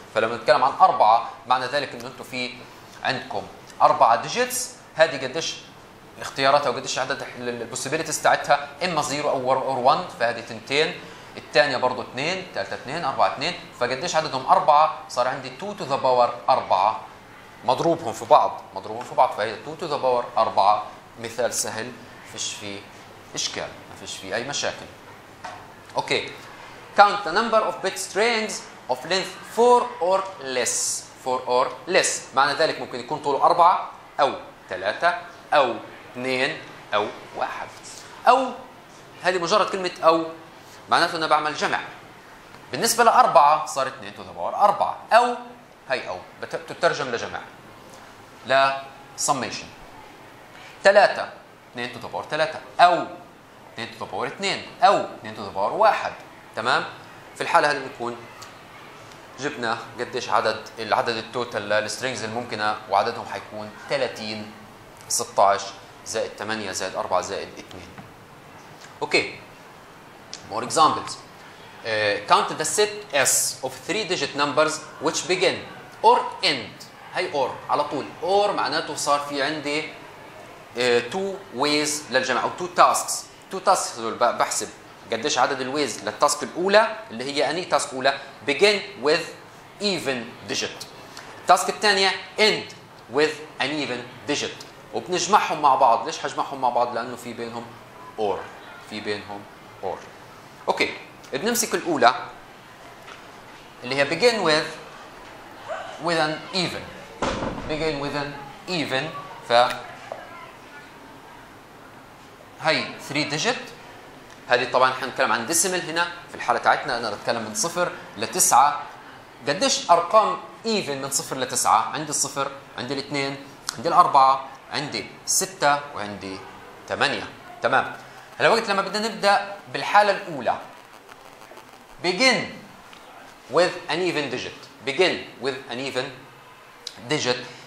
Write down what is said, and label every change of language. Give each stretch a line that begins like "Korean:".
Arabic: فلما نتكلم عن اربعه معنى ذلك انه انتم في عندكم اربعه ديجيتس، هذه قديش اختياراتها وقديش عدد البوسيبيليتيز تاعتها، اما 0 او 1 فهذه تنتين، الثانية برضو 2، الثالثة 2، 4 2، فقديش عددهم 4؟ صار عندي
English: 2 to the power 4
Arabic: مضروبهم في بعض، مضروبهم في بعض، فهي 2 to the power 4. مثال سهل، فيش فيه إشكال، ما فيش فيه أي مشاكل.
English: okay, count the number of bit strings of length 4 or less، 4 or less،
Arabic: معنى ذلك ممكن يكون طوله 4 أو 3 أو 2 أو 1. أو هذه مجرد كلمة أو، معناته أنا بعمل جمع. بالنسبة لأربعة صار
English: 2 to the power 4،
Arabic: أو هي أو بتترجم لجمع، لا summation. 3 2 to the power 3 أو 2 to the power 2 أو 2 to the power 1. تمام، في الحالة هذه بنكون جبنا قديش عدد العدد التوتال للسترينجز الممكنة وعددهم حيكون 30 16 زائد 8 زائد 4 زائد 2.
English: Okay, more examples. Count the set S of three digit numbers which begin or end.
Arabic: هاي or على طول. or معناته صار في عندي
English: two ways
Arabic: للجمع أو
English: two tasks. two tasks
Arabic: هذول بحسب قديش عدد ال ways للتاسك الأولى اللي هي أني تاسك أولى
English: begin with even digit.
Arabic: التاسك الثانية
English: end with an even digit.
Arabic: وبنجمعهم مع بعض. ليش حجمعهم مع بعض؟ لأنه في بينهم or. في بينهم or. اوكي، بنمسك الأولى اللي هي
English: begin with an even. Begin with an even.
Arabic: ف هي
English: 3 digit.
Arabic: هذه طبعا احنا نتكلم عن decimal هنا في الحالة تاعتنا، انا بتكلم من 0 ل 9. قديش ارقام even من 0 ل 9؟ عندي 0، عندي 2، عندي 4، عندي 6 وعندي 8. تمام. هلا وقت لما بدنا نبدا بالحالة الأولى،
English: begin with an even digit. Begin with an even digit.